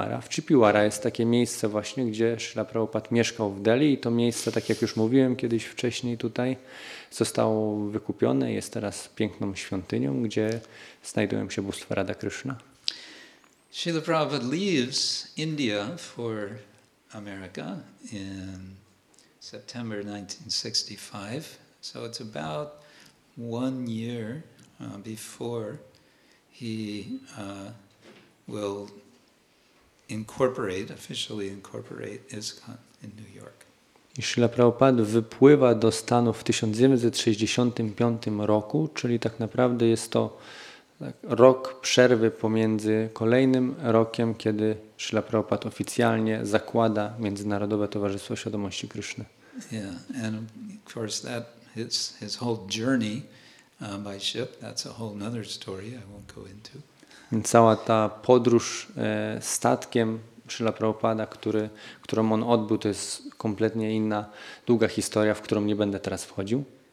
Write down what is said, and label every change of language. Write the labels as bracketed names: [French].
[Polish] Chippewada jest takie miejsce właśnie, gdzie Srila Prabhupada mieszkał w Delhi i to miejsce, tak jak już mówiłem kiedyś wcześniej tutaj, zostało wykupione i jest teraz piękną świątynią, gdzie znajdują się bóstwa Radha Krishna. [English] Srila Prabhupada leaves India for America in September 1965, so it's about 1 year before he will incorporate, officially incorporate ISKCON in New York. [Polish] Srila Prabhupada wypływa do Stanów w 1965 roku, czyli tak naprawdę jest to rok przerwy pomiędzy kolejnym rokiem, kiedy Srila Prabhupada oficjalnie zakłada Międzynarodowe Towarzystwo Świadomości Kryszny. [English] Yeah, and of course that his whole journey by ship, that's a whole another story I won't go into. [Polish] Cała ta podróż statkiem Srila Prabhupada, którą on odbył, to jest kompletnie inna, długa historia, w którą nie będę teraz wchodził.